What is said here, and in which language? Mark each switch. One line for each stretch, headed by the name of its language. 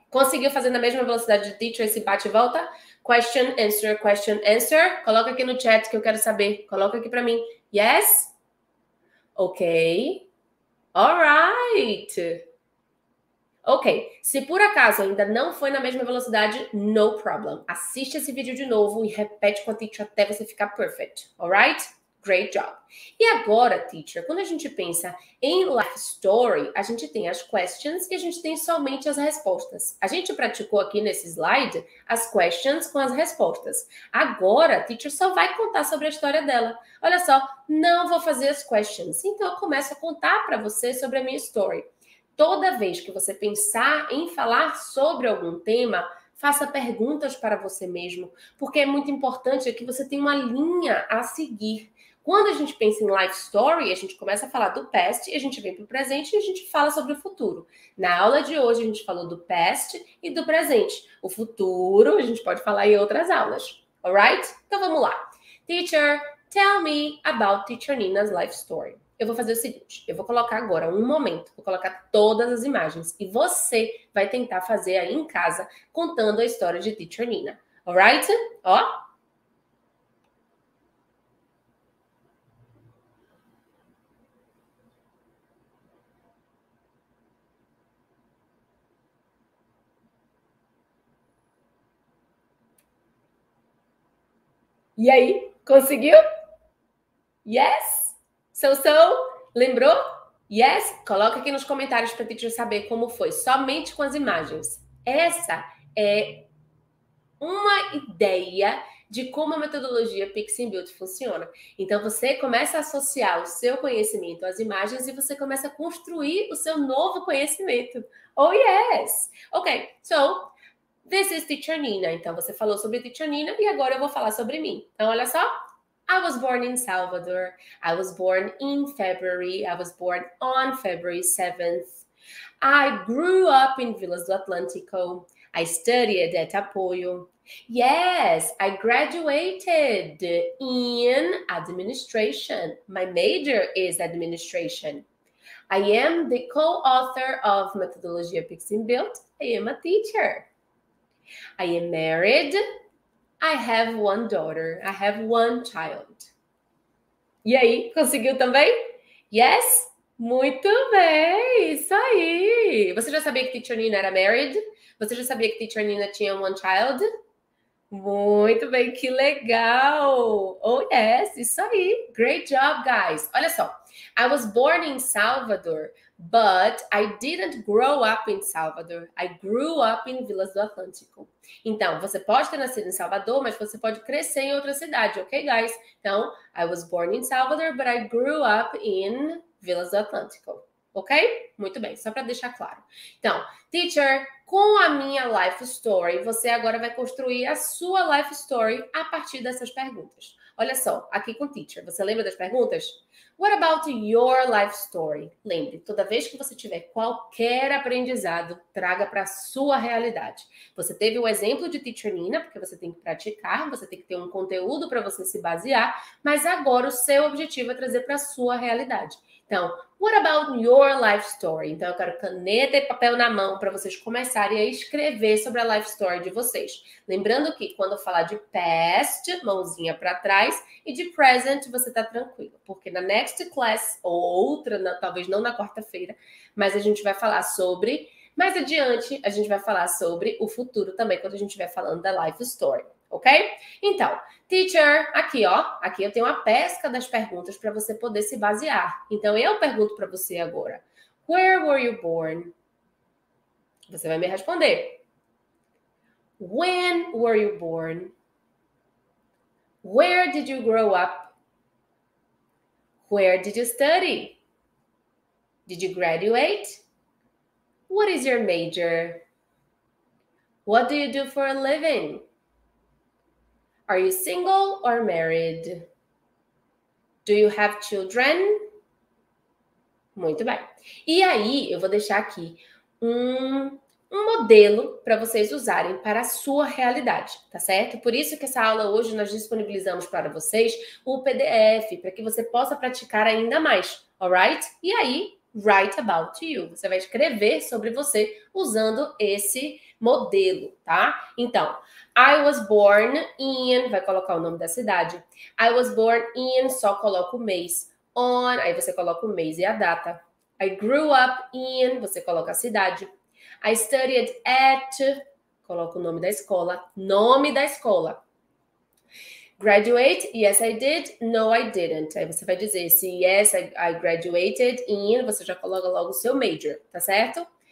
Portuguese: Conseguiu fazer na mesma velocidade de teacher esse bate e volta?
English: Question, answer, question, answer.
Portuguese: Coloca aqui no chat que eu quero saber. Coloca aqui para mim.
English: Yes? Ok. All right.
Portuguese: Ok, se por acaso ainda não foi na mesma velocidade,
English: no problem.
Portuguese: Assiste esse vídeo de novo e repete com a teacher até você ficar perfect.
English: All right? Great job.
Portuguese: E agora, teacher, quando a gente pensa em life story, a gente tem as questions e a gente tem somente as respostas. A gente praticou aqui nesse slide as questions com as respostas. Agora, a teacher só vai contar sobre a história dela. Olha só, não vou fazer as questions. Então, eu começo a contar para você sobre a minha story. Toda vez que você pensar em falar sobre algum tema, faça perguntas para você mesmo, porque é muito importante que você tenha uma linha a seguir. Quando a gente pensa em life story, a gente começa a falar do past e a gente vem para o presente e a gente fala sobre o futuro. Na aula de hoje, a gente falou do past e do presente. O futuro, a gente pode falar em outras aulas.
English: All right?
Portuguese: Então vamos lá.
English: Teacher, tell me about Teacher Nina's life story.
Portuguese: Eu vou fazer o seguinte: eu vou colocar agora um momento, vou colocar todas as imagens e você vai tentar fazer aí em casa contando a história de Teacher Nina.
English: All right? Ó.
Portuguese: E aí, conseguiu?
English: Yes? So,
Portuguese: lembrou?
English: Yes?
Portuguese: Coloca aqui nos comentários para a teacher saber como foi, somente com as imagens. Essa é uma ideia de como a metodologia Pixin Built funciona. Então, você começa a associar o seu conhecimento às imagens e você começa a construir o seu novo conhecimento.
English: Oh, yes! Ok, so. This is Teacher Nina.
Portuguese: Então você falou sobre Teacher Nina e agora eu vou falar sobre mim. Então olha só.
English: I was born in Salvador. I was born in February. I was born on February 7th. I grew up in Vila do Atlântico. I studied at Apoio. Yes, I graduated in administration. My major is administration. I am the co-author of Methodologia Pix and Build. I am a teacher. I am married. I have one daughter. I have one child.
Portuguese: E aí, conseguiu também?
English: Yes?
Portuguese: Muito bem, isso aí! Você já sabia que Teacher Nina era married? Você já sabia que Teacher Nina tinha one child? Muito bem, que legal!
English: Oh, yes,
Portuguese: isso aí!
English: Great job, guys!
Portuguese: Olha só,
English: I was born in Salvador, but I didn't grow up in Salvador. I grew up in Vilas do Atlântico.
Portuguese: Então, você pode ter nascido em Salvador, mas você pode crescer em outra cidade,
English: ok, guys?
Portuguese: Então,
English: I was born in Salvador, but I grew up in Vilas do Atlântico, ok?
Portuguese: Muito bem, só para deixar claro. Então, teacher, com a minha life story, você agora vai construir a sua life story a partir dessas perguntas. Olha só, aqui com teacher, você lembra das perguntas?
English: What about your life story?
Portuguese: Lembre, toda vez que você tiver qualquer aprendizado, traga para a sua realidade. Você teve o exemplo de Teacher Nina, porque você tem que praticar, você tem que ter um conteúdo para você se basear, mas agora o seu objetivo é trazer para a sua realidade. Então,
English: what about your life story?
Portuguese: Então, eu quero caneta e papel na mão para vocês começarem a escrever sobre a life story de vocês. Lembrando que quando eu falar de past, mãozinha para trás, e de present, você está tranquilo. Porque na
English: next class,
Portuguese: ou outra, talvez não na quarta-feira, mas a gente vai falar sobre. Mais adiante, a gente vai falar sobre o futuro também, quando a gente estiver falando da life story. Ok? Então, teacher, aqui ó, aqui eu tenho a pesca das perguntas para você poder se basear. Então eu pergunto para você agora:
English: Where were you born?
Portuguese: Você vai me responder:
English: When were you born? Where did you grow up? Where did you study? Did you graduate? What is your major? What do you do for a living? Are you single or married? Do you have children?
Portuguese: Muito bem. E aí, eu vou deixar aqui um modelo para vocês usarem para a sua realidade, tá certo? Por isso que essa aula hoje nós disponibilizamos para vocês o PDF, para que você possa praticar ainda mais,
English: alright?
Portuguese: E aí,
English: write about you.
Portuguese: Você vai escrever sobre você usando esse modelo, tá? Então,
English: I was born in,
Portuguese: vai colocar o nome da cidade.
English: I was born in,
Portuguese: só coloca o mês. On, aí você coloca o mês e a data.
English: I grew up in,
Portuguese: você coloca a cidade.
English: I studied at,
Portuguese: coloca o nome da escola. Nome da escola.
English: Graduate, yes I did, no I didn't.
Portuguese: Aí você vai dizer se
English: yes I graduated in,
Portuguese: você já coloca logo o seu major, tá certo?